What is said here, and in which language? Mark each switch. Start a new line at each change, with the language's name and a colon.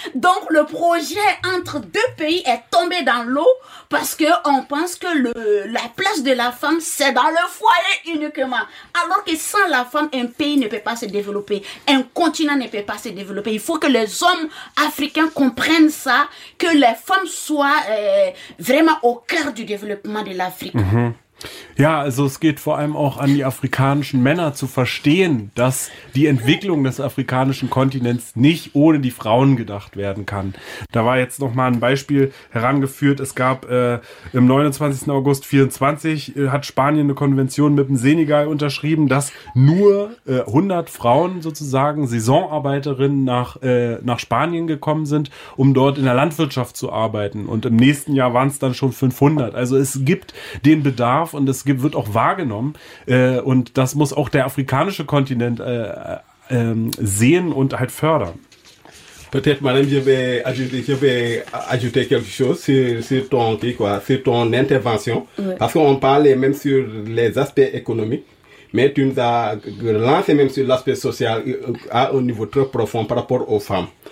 French: Donc le projet entre deux pays est tombé dans l'eau parce qu'on pense que la place de la femme, c'est dans le foyer uniquement. Alors que sans la femme, un pays ne peut pas se développer. Un continent ne peut pas se développer. Il faut que les hommes africains comprennent ça, que les femmes soient vraiment au cœur du développement de l'Afrique. Mmh.
German: Ja, also es geht vor allem auch an die afrikanischen Männer zu verstehen, dass die Entwicklung des afrikanischen Kontinents nicht ohne die Frauen gedacht werden kann. Da war jetzt nochmal ein Beispiel herangeführt. Es gab im 29. August 24 hat Spanien eine Konvention mit dem Senegal unterschrieben, dass nur 100 Frauen sozusagen Saisonarbeiterinnen nach Spanien gekommen sind, um dort in der Landwirtschaft zu arbeiten. Und im nächsten Jahr waren es dann schon 500. Also es gibt den Bedarf. Und es wird auch wahrgenommen, und das muss auch der afrikanische Kontinent sehen und halt fördern.
French: Peut-être, madame, je vais ajouter quelque chose sur ton intervention, oui. Parce qu'on parlait même sur les aspects économiques, mais tu nous as relancé même sur l'aspect social à un niveau très profond par rapport aux femmes.